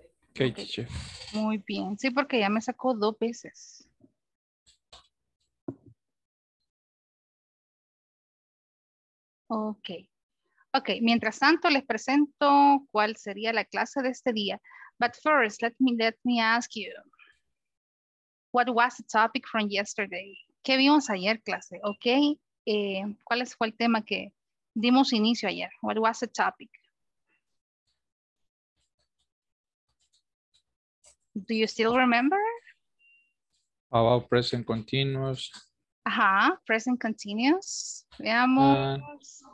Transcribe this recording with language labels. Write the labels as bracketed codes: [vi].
[en] Okay, okay. [es] Muy bien. Sí, porque ya me sacó dos veces. Ok. Ok, mientras tanto les presento cuál sería la clase de este día. [en] But first, let me ask you, what was the topic from yesterday? [es] ¿Qué vimos ayer, clase? Ok, ¿cuál fue el tema que dimos inicio ayer? [en] What was the topic? Do you still remember? About present continuous. [es] Ajá, present continuous. Veamos.